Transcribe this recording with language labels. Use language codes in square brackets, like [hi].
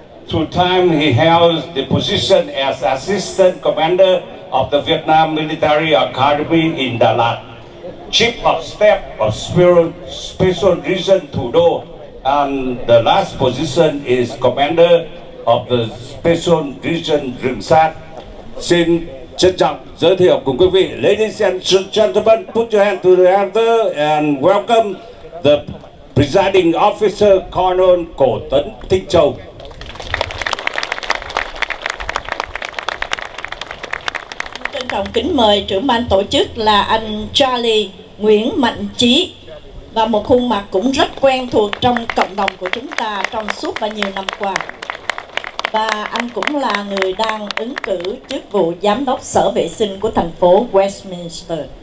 [en] Through time, he held the position as Assistant Commander of the Vietnam Military Academy in Da Lat, Chief of Staff of Special Region Thủ Đô, and the last position is Commander of the Special Region Rừng Sát. [vi] Xin trân trọng giới thiệu cùng quý vị. [en] Ladies and gentlemen, put your hand to the altar and welcome the presiding officer, Colonel Cổ Tấn Tinh Châu. [vi] Trân trọng kính mời trưởng ban tổ chức là anh Charlie Nguyễn Mạnh Chí, và một khuôn mặt cũng rất quen thuộc trong cộng đồng của chúng ta trong suốt bao nhiêu năm qua. Và anh cũng là người đang ứng cử chức vụ giám đốc sở vệ sinh của thành phố Westminster.